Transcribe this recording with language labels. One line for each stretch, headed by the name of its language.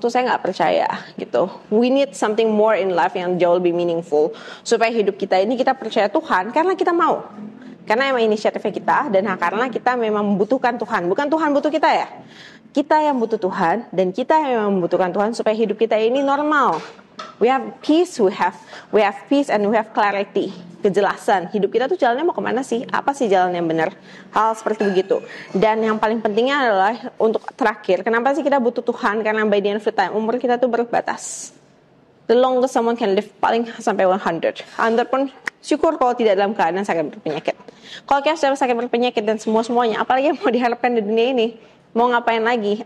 Indonesian: Itu saya gak percaya gitu.
English: We need something more in life
Indonesian: yang jauh lebih meaningful. Supaya hidup kita ini kita percaya Tuhan karena kita mau. Karena emang inisiatifnya kita dan karena kita memang membutuhkan Tuhan. Bukan Tuhan butuh kita ya. Kita yang butuh Tuhan dan kita yang memang membutuhkan Tuhan supaya hidup kita ini normal.
English: We have peace, we have peace and we have clarity.
Indonesian: Kejelasan, hidup kita tuh jalannya mau kemana sih? Apa sih jalan yang benar? Hal seperti begitu. Dan yang paling pentingnya adalah untuk terakhir, kenapa sih kita butuh Tuhan?
English: Karena by the end of the time,
Indonesian: umur kita tuh berbatas.
English: The longest someone can live
Indonesian: paling sampai 100. 100 pun syukur kalau tidak dalam keadaan sakit berpenyakit. Kalau kita sudah sakit berpenyakit dan semua-semuanya, apalagi yang mau diharapkan di dunia ini, mau ngapain lagi?